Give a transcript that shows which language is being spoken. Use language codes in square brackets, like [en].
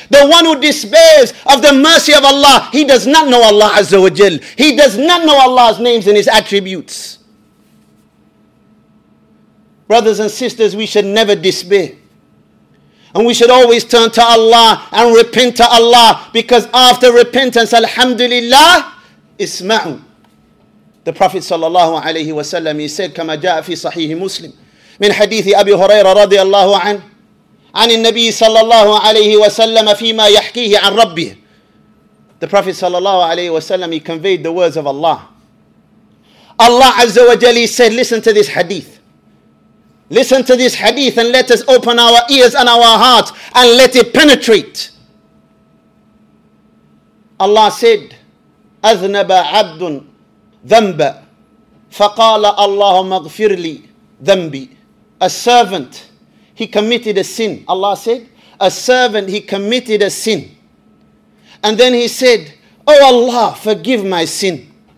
[en] The one who despairs of the mercy of Allah, he does not know Allah Azza wa Jal. He does not know Allah's names and His attributes. Brothers and sisters, we should never despair. And we should always turn to Allah and repent to Allah. Because after repentance, alhamdulillah, isma'u. The Prophet sallallahu alayhi wa sallam, he said, [ar] كما جاء في صحيح مسلم من حديث أبي هريرة رضي الله عنه عن النبي صلى الله عليه وسلم فيما يحكيه عن ربه. [en] The Prophet [ar] صلى الله عليه وسلم, [en] he conveyed the words of Allah. Allah Azza wa Jalla said, listen to this hadith. Listen to this hadith and let us open our ears and our hearts and let it penetrate. Allah said, [ar] أذنب عبد ذنب فقال اللهم اغفر لي ذنبي. [en] A servant, he committed a sin. Allah said, a servant, he committed a sin. And then he said, oh Allah, forgive my sin.